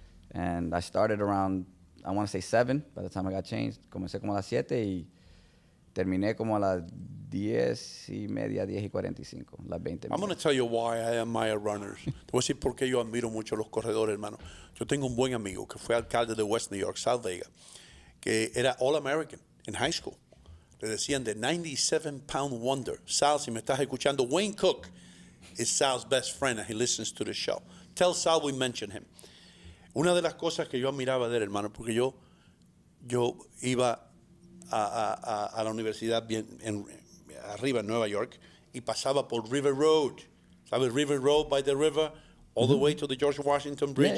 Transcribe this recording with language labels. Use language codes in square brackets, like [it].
[en] And I started around, I want to say 7 by the time I got changed. [es] Comencé como a las 7 y terminé como a las 10 y media, 10 y 45, las 20 [en] minutes. I'm going to tell you why I admire runners. [es] Te voy a decir por qué yo admiro mucho a los corredores, hermano. Yo tengo un buen amigo que fue alcalde de West New York, Sal Vega, que era All-American in high school. Le decían [en] the 97-pound wonder. Sal, [es] si me estás escuchando, [en] Wayne Cook is Sal's best friend and he listens to the show. Tell Sal we mention him. [es] Una de las cosas que yo admiraba de él, hermano, porque yo iba a la universidad bien en, arriba en Nueva York y pasaba por River Road, ¿sabes? [en] River Road by the river, all the way to the George Washington Bridge.